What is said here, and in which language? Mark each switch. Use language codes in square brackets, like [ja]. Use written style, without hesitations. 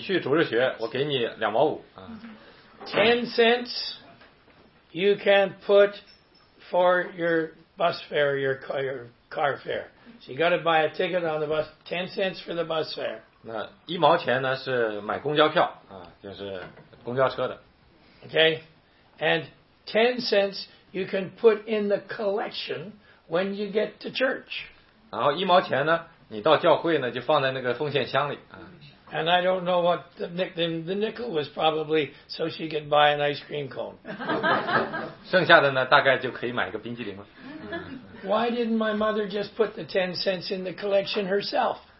[zh] 所以呢,他说呢,你去主日学,我给你2毛5. [en] 10 cents you can put for your bus fare, your car fare. So you got to buy a ticket on the bus, 10 cents for the bus fare. [zh] 那1毛钱呢,是买公交票,就是公交车的。 [en] Okay, and 10 cents you can put in the collection when you get to church. [zh] 然后1毛钱呢, 你到教会呢, 就放在那个奉献箱里, [en] and I don't know what the nickel was probably so she could buy an ice cream cone. [zh] 剩下的呢, 大概就可以买一个冰激凌了。 [en] Why didn't my mother just put the 10 cents in the collection herself?